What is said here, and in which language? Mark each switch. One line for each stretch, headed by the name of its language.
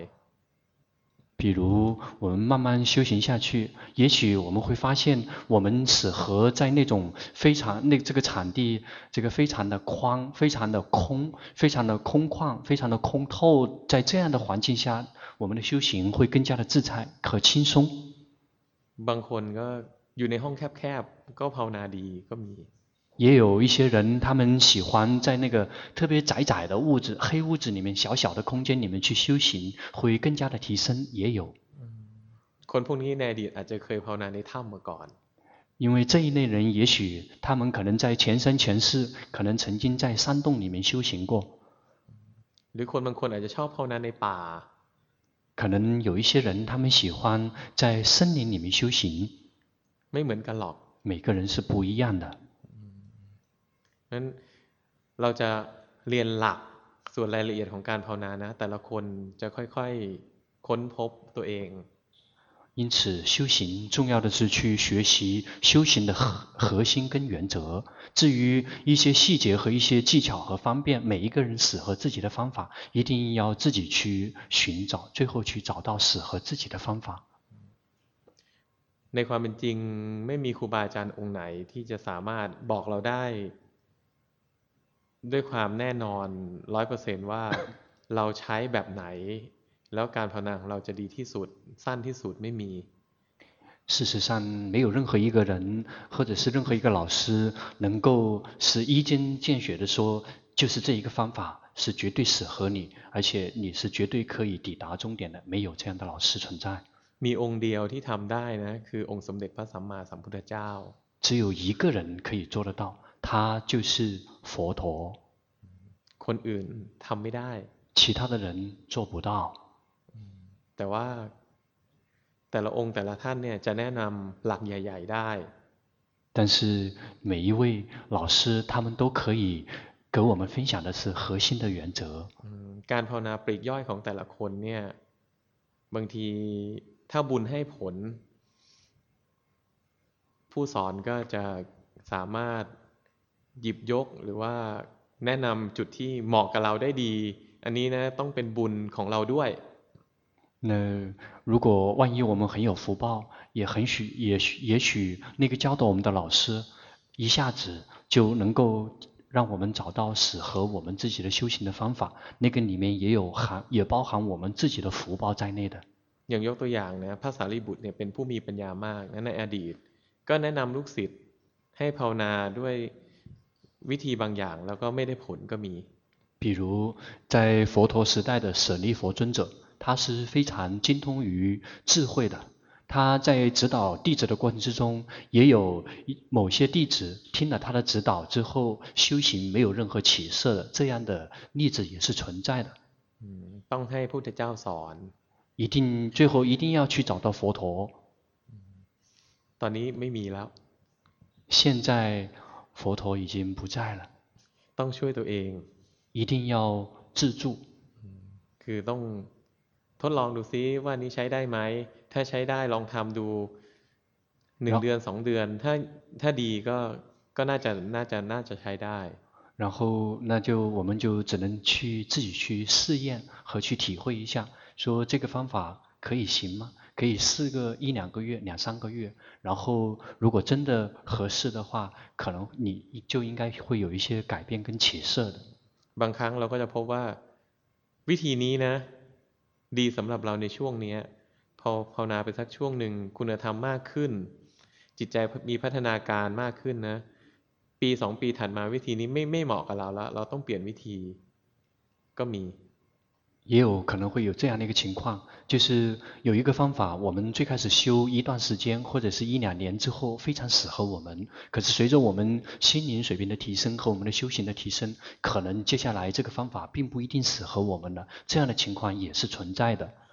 Chinese: ๆ比如我们慢慢修行下去也许我们会发现我们适合在那种非常那这个场地这个非常的宽非常的空非常的空旷非常的空透在这样的环境下我们的修行会更加的自在可轻松
Thai: บางคนก็อยู่ในห้องแคบๆก็ภาวนาดีก็มี
Chinese: 也有一些人他们喜欢在那个特别窄窄的屋子黑屋子里面小小的空间里面去修行会更加的提升也有
Thai: คนพวกนี้ในอดีตอาจจะเคยภาวนาในถ้ำมาก่อน
Chinese: 因为这一类人也许他们可能在前生前世可能曾经在山洞里面修行过
Thai: หรือคนบางคนอาจจะชอบภาวนาในป่า
Chinese: 可能有一些人他们喜欢在森林里面修行
Thai: ไม่เหมือนกันหรอก
Chinese: 每个人是不一样的
Thai: นั้นเราจะเรียนหลักส่วนรายละเอียดของการภาวนานะแต่ละคนจะค่อยๆ ค้นพบตัวเอง
Chinese: 因此修行重要的是去学习修行的核心跟原则至于一些细节和一些技巧和方便每一个人适合自己的方法一定要自己去寻找最后去找到适合自己的方法
Thai: ในความเป็นจริงไม่มีครูบาอาจารย์องค์ไหนที่จะสามารถบอกเราได้ด้วยความแน่นอน 100% ว่าเราใช้แบบไหนแล้วการภาวนาของเราจะดีที่สุดสั้นที่สุดไม่มี
Chinese: 事实上没有任何一个人或者是任何一个老师能够是一针见血的说就是这一个方法是绝对适合你而且你是绝对可以抵达终点的没有这样的老师存在
Thai: มีองค์เดียวที่ทำได้นะคือองค์สมเด็จพระสัมมาสัมพุทธเจ้า
Chinese: 只有一个人可以做得到他就是佛陀
Thai: คนอื่นทำไม่ได้
Chinese: 其他的人做不到
Thai: แต่ว่าแต่ละองค์แต่ละท่านเนี่ยจะแนะนำหลักใหญ่ๆได้
Chinese: 但是每一位老师他们都可以给我们分享的是核心的原则
Thai: การภาวนาปลีกย่อยของแต่ละคนเนี่ยบางทีถ้าบุญให้ผลผู้สอนก็จะสามารถหยิบยกหรือว่าแนะนำจุดที่เหมาะกับเราได้ดีอันนี้นะต้องเป็นบุญของเราด้วย
Chinese: 那如果万一我们很有福报也很许也也许那个教导我们的老师一下子就能够让我们找到适合我们自己的修行的方法那个里面也有含也包含我们自己的福报在内的
Thai: อย่างยกตัวอย่างนะพระสารีบุตรเนี่ยเป็นผู้มีปัญญามากในอดีตก็แนะนำลูกศิษย์ให้ภาวนาด้วยวิธีบางอย่างแล้วก็ไม่ได้ผลก็มี
Chinese: 比如在佛陀时代的舍利佛尊者他是非常精通于智慧的他在指导弟子的过程之中也有某些弟子听了他的指导之后修行没有任何起色的这样的例子也是存在的
Thai: ต้องให้พุทธเจ้าสอน
Chinese: 一定最后一定要去找到佛陀
Thai: ตอนนี้ไม่มีแล้ว
Chinese: 现在佛陀已经不在了
Thai: ต้องช่วยตัวเอง
Chinese: 一定要自助
Thai: คือต้องทดลองดูซิว่านี้ใช้ได้ไหมถ้าใช้ได้ลองทำดู1เดือน2เดือนถ้าดีก็น่าจะใช้ได้
Chinese: 然后那就我们就只能去自己去试验和去体会一下说这个方法可以行吗可以试个一两个月两三个月然后如果真的合适的话可能你就应该会有一些改变跟起色的
Thai: บางครั้งเราก็จะพบว่าวิธีนี้นะดีสำหรับเราในช่วงนี้พอภาวนาไปสักช่วงหนึ่งคุณธรรมมากขึ้นจิตใจมีพัฒนาการมากขึ้นนะปีสองปีถัดมาวิธีนี้ไม่เหมาะกับเราแล้วเราต้องเปลี่ยนวิธีก็มี
Chinese: 也有可能会有这样的一个情况，就是有一个方法，我们最开始修一段时间或者是一两年之后非常适合我们，可是随着我们心灵水平的提升和我们的修行的提升，可能接下来这个方法并不一定适合我们了，这样的情况也是存在的。